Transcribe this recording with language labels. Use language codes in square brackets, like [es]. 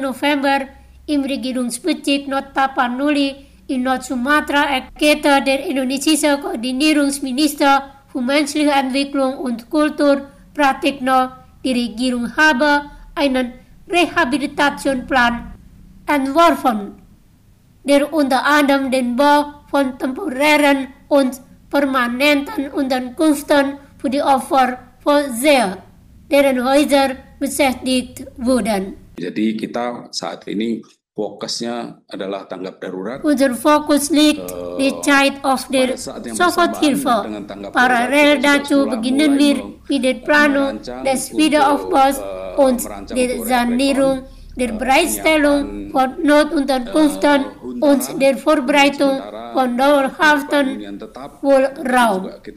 [de] November, im Regierungsbezirk Nord Tapanuli in Nord Sumatra, erklärte der indonesische Koordinierungsminister menschliche Entwicklung und Kultur Pratikno, die Regierung habe einen Rehabilitationsplan entworfen, der unter anderem den Bau von temporären und permanenten Unterkünften für die Opfer vorsehe, deren Häuser beschädigt wurden. [id] Jadi kita saat ini fokusnya adalah tanggap darurat. [de] Unser Fokus liegt die Zeit auf der Soforthilfe. Parallel dazu beginnen wir mit der Planung des Wiederaufbaus und der Sanierung, der Bereitstellung von Notunterkünften und der Vorbereitung von dauerhaften Wohnraum.